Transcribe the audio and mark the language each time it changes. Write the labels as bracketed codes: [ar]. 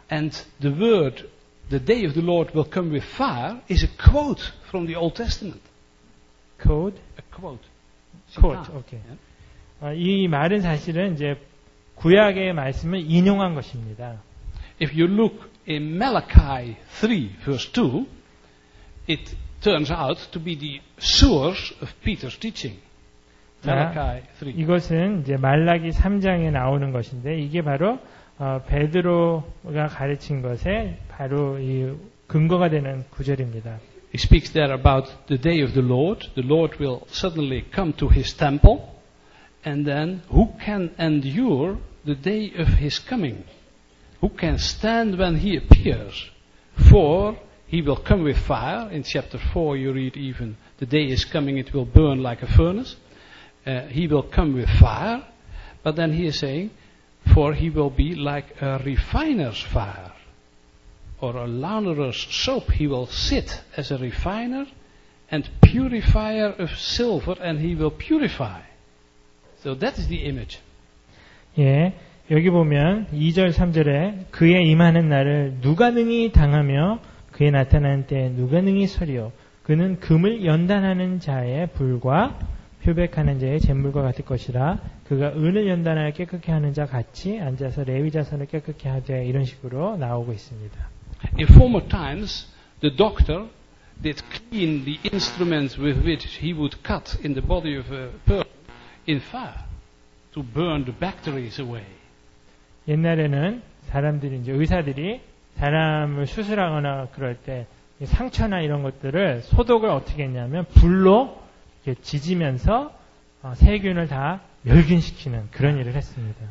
[en] And the word the day of the Lord will come with fire is a quote from the Old Testament. Quote? A quote. Quote. Okay. Yeah. [ko] 이 말은 사실은 이제 구약의 말씀을 인용한 것입니다. [en] If you look in Malachi 3 verse 2, it turns out to be the source of Peter's teaching. [ko] 자, 이것은 이제 말라기 3장에 나오는 것인데 이게 바로 베드로가 가르친 것에 바로 이 근거가 되는 구절입니다. [en] He speaks there about the day of the Lord. The Lord will suddenly come to his temple and then who can endure the day of his coming? Who can stand when he appears? For he will come with fire. In chapter 4 you read even the day is coming it will burn like a furnace. He will come with fire, but then he is saying, for he will be like a refiner's fire, or a launderer's soap. He will sit as a refiner and purifier of silver, and he will purify. So that is the image. [ko] 예, 여기 보면 2절, 3절에 그의 임하는 날을 누가 능히 당하며 그의 나타나는 때에 누가 능히 서리오. 그는 금을 연단하는 자의 불과 표백하는 자의 재물과 같을 것이라 그가 은을 연단하여 깨끗케 하는 자 같이 앉아서 레위 자손을 깨끗케 하되 이런 식으로 나오고 있습니다. [en] In former times, the doctor did clean the instruments with which he would cut in the body of a person in fire to burn the bacteria away. [ko] 옛날에는 사람들이 이제 의사들이 사람을 수술하거나 그럴 때 상처나 이런 것들을 소독을 어떻게 했냐면 불로 이렇게 지지면서 세균을 다 멸균시키는 그런 일을 했습니다.